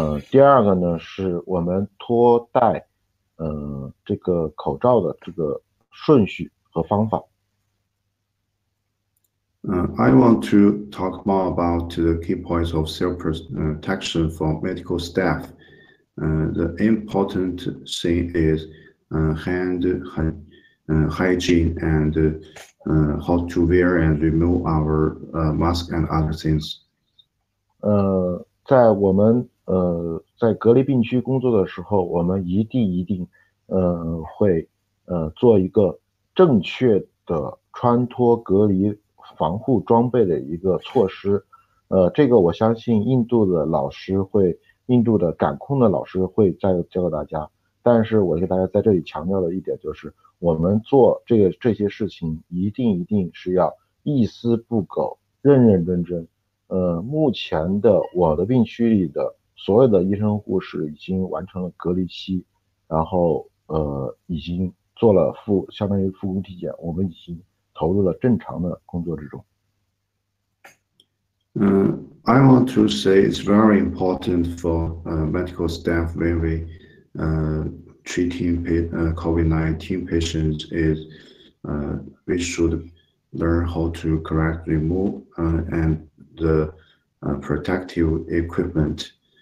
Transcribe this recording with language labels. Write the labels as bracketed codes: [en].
[zh] 第二个呢是我们脱戴这个口罩的这个顺序和方法。 [en] I want to talk more about the key points of self-protection for medical staff. The important thing is hand hygiene and how to wear and remove our mask and other things. [zh] 在我们在隔离病区工作的时候，我们一定会做一个正确的穿脱隔离防护装备的一个措施，这个我相信印度的感控的老师会再教给大家。但是我给大家在这里强调的一点就是，我们做这些事情一定是要一丝不苟、认认真真。目前的我的病区里的所有的医生护士已经完成了隔离期，然后已经做了相当于复工体检，我们已经投入了正常的工作之中。 [en] I want to say it's very important for medical staff when we treating COVID-19 patients is we should learn how to correctly move and the protective equipment.